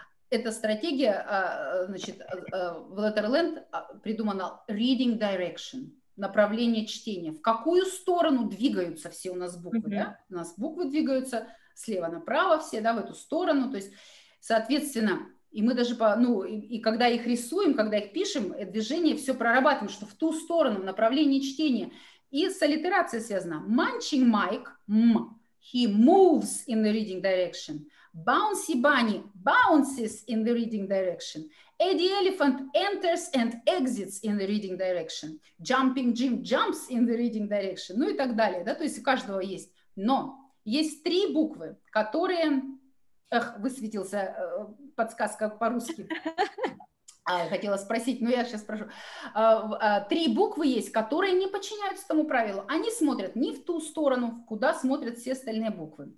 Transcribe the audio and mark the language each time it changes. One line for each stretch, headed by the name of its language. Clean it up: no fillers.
Russian: Эта стратегия, значит, в Letterland придумана reading direction, направление чтения. В какую сторону двигаются все у нас буквы, да? У нас буквы двигаются слева направо все, да, в эту сторону, то есть, соответственно, и мы даже, и когда их рисуем, когда их пишем, движение все прорабатываем, что в ту сторону, в направлении чтения, и с аллитерацией связано.
English: Munching Mike, he moves in the reading direction. Bouncy Bunny bounces in the reading direction. Eddie Elephant enters and exits in the reading direction. Jumping Jim jumps in the reading direction,
Russian: ну и так далее, да, то есть у каждого есть, но есть три буквы, которые... Эх, высветился подсказка по-русски. Хотела спросить, но я сейчас спрошу. Три буквы есть, которые не подчиняются тому правилу. Они смотрят не в ту сторону, куда смотрят все остальные буквы.